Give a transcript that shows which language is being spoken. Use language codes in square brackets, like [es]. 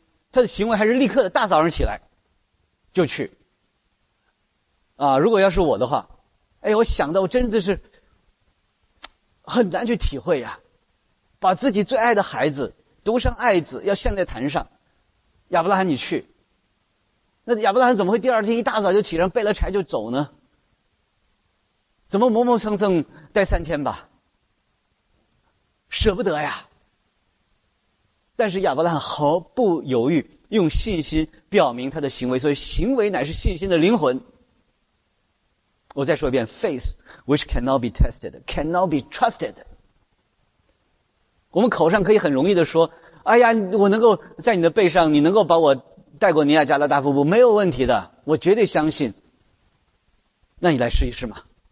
[zh] 他的行为还是立刻的大早上起来就去啊，如果要是我的话，哎，我想到我真的是很难去体会啊，把自己最爱的孩子独生爱子要献在坛上，亚伯拉罕你去，那亚伯拉罕怎么会第二天一大早就起床背了柴就走呢？怎么磨磨蹭蹭待三天吧，舍不得呀。但是亚伯拉罕毫不犹豫，用信心表明他的行为，所以行为乃是信心的灵魂。我再说一遍 [en] Faith which cannot be tested cannot be trusted。 [zh] 我们口上可以很容易的说，哎呀，我能够在你的背上，你能够把我带过尼亚加拉大瀑布，没有问题的，我绝对相信，那你来试一试嘛。